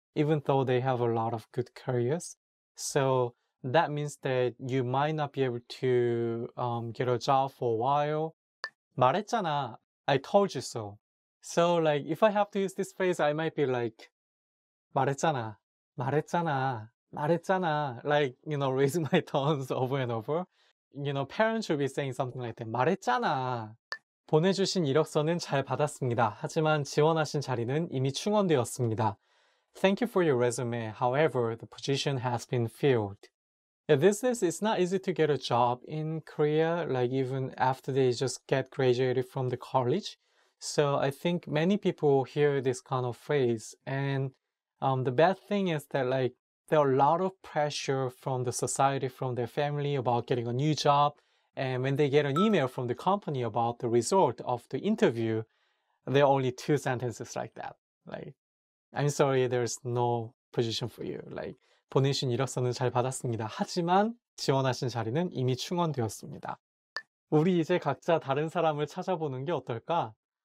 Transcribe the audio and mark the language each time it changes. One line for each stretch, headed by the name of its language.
English: Even though they have a lot of good careers. So that means that you might not be able to get a job for a while.
Korean: 말했잖아.
English: I told you so. So like if I have to use this phrase, I might be like
Korean: 말했잖아. 말했잖아, 말했잖아.
English: Like, you know, raise my tones over and over. You know, parents should be saying something like that.
Korean: 말했잖아. 보내주신 이력서는 잘 받았습니다. 하지만 지원하신 자리는 이미 충원되었습니다.
English: Thank you for your resume. However, the position has been filled. Yeah, it's not easy to get a job in Korea, like even after they just get graduated from the college. So I think many people hear this kind of phrase. And the bad thing is that like there are a lot of pressure from the society, from their family about getting a new job. And when they get an email from the company about the result of the interview, there are only two sentences like that. Like, I'm sorry, there's no position for you. Like,
Korean: 보내신 이력서는 잘 받았습니다. 하지만 지원하신 자리는 이미 충원되었습니다. 우리 이제 각자 다른 사람을 찾아보는 게 어떨까?